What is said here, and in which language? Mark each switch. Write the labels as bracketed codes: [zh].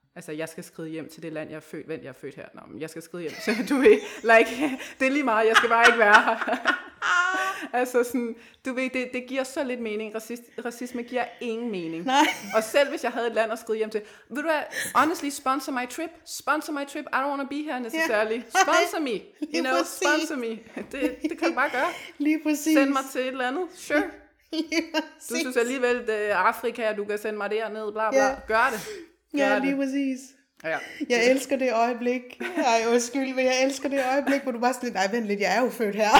[da] Altså, jeg skal skride hjem til det land, jeg er født. Vent, jeg er født her. Nå, men jeg skal skride hjem til, du ved. Like, det er lige meget, jeg skal bare ikke være her. Altså, sådan, du ved, det giver så lidt mening. Racisme giver ingen mening. Nej. Og selv hvis jeg havde et land at skride hjem til, vil du have, [en] honestly, sponsor my trip? Sponsor my trip? I don't want to be here necessarily. Sponsor me. You know, sponsor me. [da] Det kan du bare gøre. Lige præcis. Send mig til et eller andet. Sure. Du synes alligevel, det er Afrika, du kan sende mig derned, bla bla. Yeah. Gør det. Ja, lige præcis. Ja. Jeg elsker det øjeblik. Ej, undskyld, men jeg elsker det øjeblik, hvor du bare sådan, nej, vent lidt, jeg er jo født her.